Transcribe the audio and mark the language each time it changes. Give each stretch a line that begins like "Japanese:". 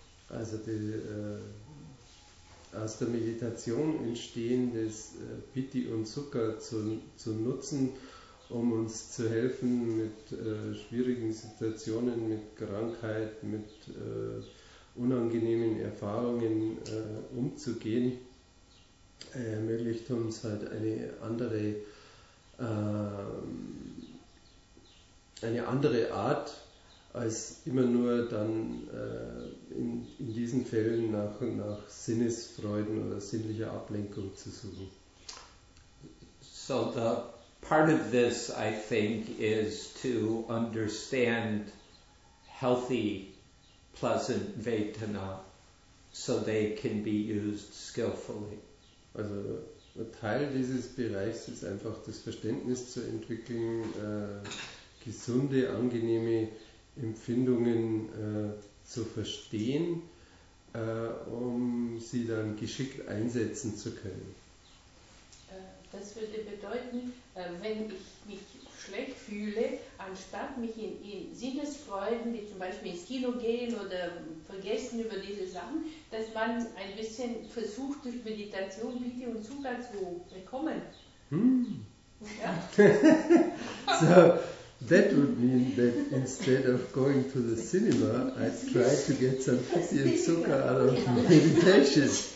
German: Also aus der Meditation entstehendes Piti und Sukha zu nutzen, um uns zu helfen mit schwierigen Situationen, mit Krankheit, mit unangenehmen Erfahrungen umzugehen, ermöglicht uns halt eine andere Art, als immer nur dann in diesen Fällen nach Sinnesfreuden oder sinnlicher Ablenkung zu suchen.
English: So the part of this, I think, is to understand healthy, pleasant vedana so they can be used skillfully.
German: Also ein Teil dieses Bereichs ist einfach das Verständnis zu entwickeln, gesunde, angenehme Empfindungen zu verstehen, um sie dann geschickt einsetzen zu können. Das würde bedeuten, wenn ich mich schlecht fühle, anstatt mich in Sinnesfreuden, wie zum Beispiel ins Kino gehen oder vergessen über diese Sachen, dass man ein bisschen versucht, durch Meditation Bitte und Zugang zu bekommen. Ja.
English: So, that would mean that instead of going to the cinema, I'd try to get some
German: Bitte und Zugang
English: out of meditation.